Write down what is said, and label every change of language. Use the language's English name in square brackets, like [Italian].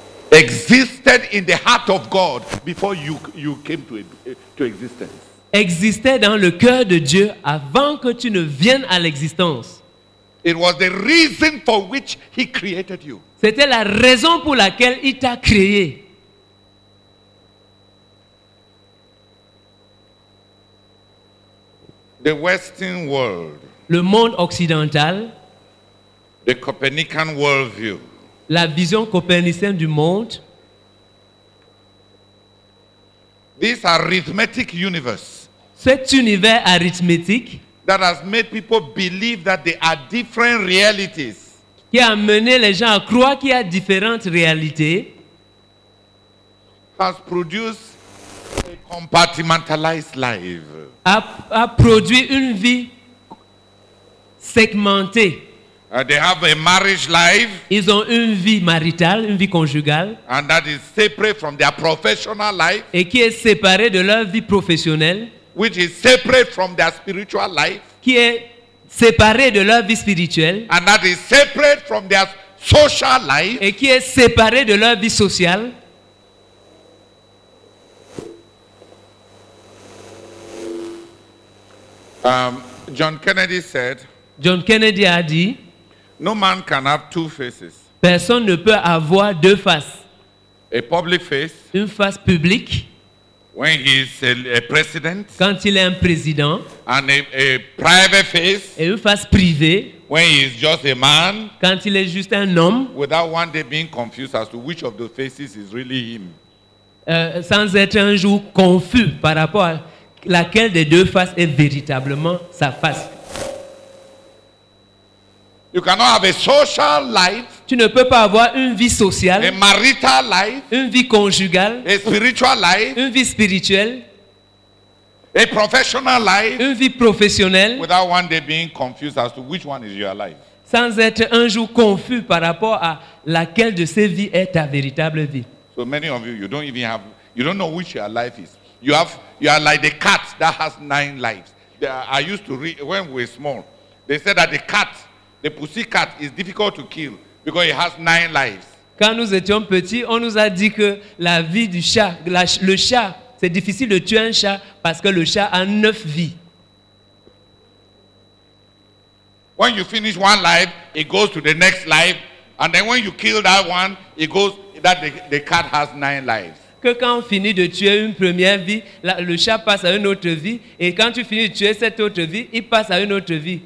[English] Existed in the heart of God before you came to existence. [French] Existait dans le cœur de Dieu avant que tu ne viennes à l'existence. [English] It was the reason for which He created you. [French] C'était la raison pour laquelle il t'a créé. [English] The Western world. [French] Le monde occidental. [English] The Copernican worldview. [French] La vision copernicienne du monde. [English] This arithmetic universe. [French] Cet univers arithmétique. [English] That has made people believe that they are different realities. [French] Qui a amené les gens à croire qu'il y a différentes réalités. [English] Has produced a compartmentalized life. [French] A produit une vie segmentée. [English] They have a marriage life. [French] Ils ont une vie maritale, une vie conjugale. [English] And that is separate from their professional life. [French] Et qui est séparée de leur vie professionnelle. [English] Which is separate from their spiritual life. [French] Qui est séparée de leur vie spirituelle. [English] And that is separate from their social life. [French] Et qui est séparée de leur vie sociale. [English] John Kennedy said. [French] John Kennedy a dit. [English] No man can have two faces. [French] Personne ne peut avoir deux faces. [English] A public face. [French] Une face publique. [English] When he is a president. [French] Quand il est un président. [English] And a private face. [French] Et une face privée. [English] When he is just a man. [French] Quand il est juste un homme. [English] Without one day being confused as to which of the faces is really him. [French] Sans être un jour confus par rapport à laquelle des deux faces est véritablement sa face. [English] You cannot have a social life, [French] tu ne peux pas avoir une vie sociale, [English] a marital life, [French] une vie conjugale, [English] a spiritual life, [French] une vie spirituelle, [English] A professional life, [French] une vie professionnelle, [English] without one day being confused as to which one is your life. [French] Sans être un jour confus par rapport à laquelle de ces vies est ta véritable vie. [English] So many of you, you don't even have, you don't know which your life is. You are like the cat that has 9 lives. I used to read when we were small. They said that the cat, the pussy cat, is difficult to kill because it has 9 lives. [French] Quand nous étions petits, on nous a dit que la vie du chat, le chat, c'est difficile de tuer un chat parce que le chat a 9 vies. [English] When you finish one life, it goes to the next life, and then when you kill that one, it goes that the cat has 9 lives. [French] Que quand on finit de tuer une première vie, le chat passe à une autre vie, et quand tu finis de tuer cette autre vie, il passe à une autre vie.